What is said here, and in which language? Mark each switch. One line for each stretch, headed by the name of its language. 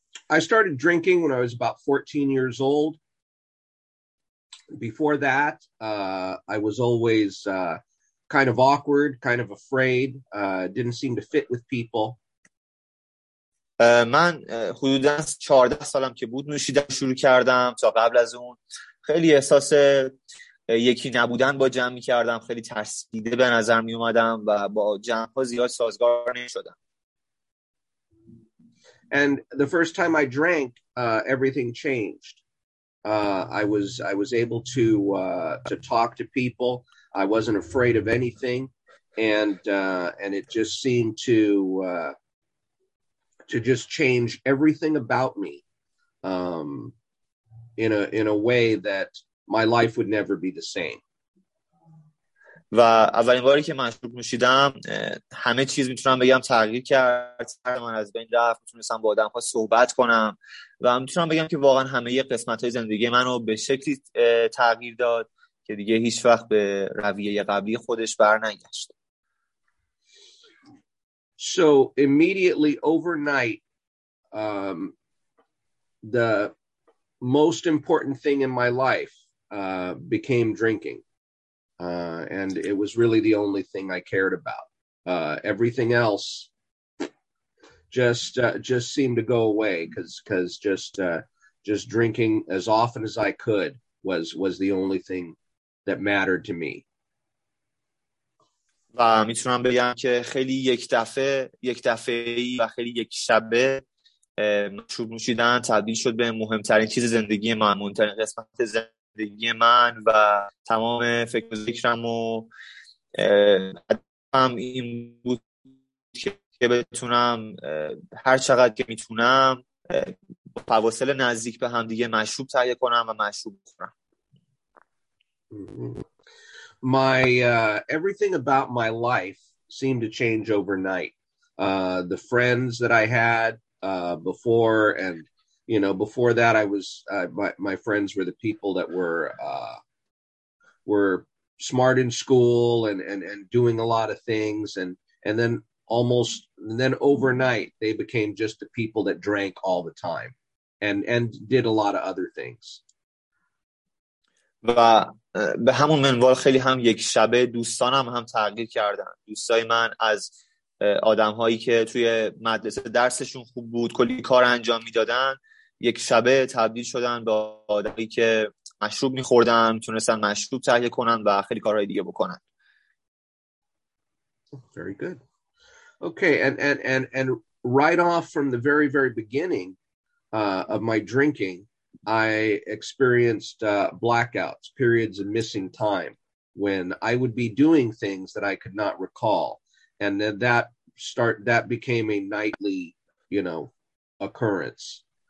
English: I started drinking when I was about 14 years old. Before that, I was always kind of awkward, kind of afraid, didn't seem to fit with people.
Persian: من حدوداً 14 سالم که بود نوشیدن شروع کردم. تا قبل از اون خیلی احساس یکی نبودن با جمع می کردم، خیلی ترسیده به نظر می اومدم و با جمع ها زیاد سازگار نشدم.
English: And the first time I drank, everything changed. I was able to talk to people. I wasn't afraid of anything. And it just seemed to just change everything about me in a way that my life would never be the same.
Persian: و اولین باری که من شروع نوشیدم همه چیز میتونم بگم تغییر کرد. سر من از بین رفت، میتونستم با آدم ها صحبت کنم و میتونم بگم که واقعا همه یه قسمت های زندگی منو به شکلی تغییر داد که دیگه هیچ وقت به رویه قبلی خودش بر نگشت.
English: So immediately overnight, the most important thing in my life became drinking. And it was really the only thing I cared about. Everything else just seemed to go away because just drinking as often as I could was the only thing that mattered to me.
Persian: و میتونم بگم که خیلی یک دفعه‌ای و خیلی یک شبه مشروب نوشیدن تبدیل شد به مهمترین چیز زندگی من، مهمترین قسمت زندگی من و تمام فکر و ذکرم و هم این بود که بتونم هر چقدر که میتونم با فواصل نزدیک به هم دیگه مشروب تهیه کنم و مشروب بخورم.
English: My everything about my life seemed to change overnight. the friends that I had before. And, you know, before that, I was my friends were the people that were smart in school and doing a lot of things. And then overnight, they became just the people that drank all the time and did a lot of other things.
Persian: و به همون منوال خیلی هم یک شبه دوستانم هم تغییر کردن. دوستای من از آدمهایی که توی مدرسه درسشون خوب بود، کلی کار انجام میدادن، یک شبه تبدیل شدن به آدمی که مشروب میخوردن، تونستن مشروب تهیه کنن و خیلی کارهای دیگه بکنن.
English: Very good. Okay, and right off from the very very beginning of my drinking, I experienced blackouts, periods of missing time, when I would be doing things that I could not recall, and then that became a nightly, you know, occurrence.